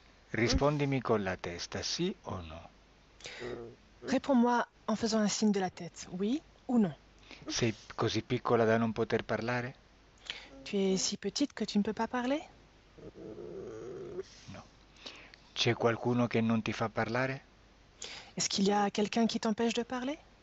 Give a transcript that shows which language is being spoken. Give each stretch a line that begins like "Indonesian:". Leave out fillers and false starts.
Italian: Rispondimi con la testa, sì o no?
French: Réponds-moi en faisant un signe de la tête, oui ou non.
Italian: Sei così piccola da non poter parlare?
French: Tu es si petite que tu ne peux pas parler?
Italian: C'è qualcuno che non ti fa parlare?
French: Est-ce qu'il y a quelqu'un qui t'empêche de parler?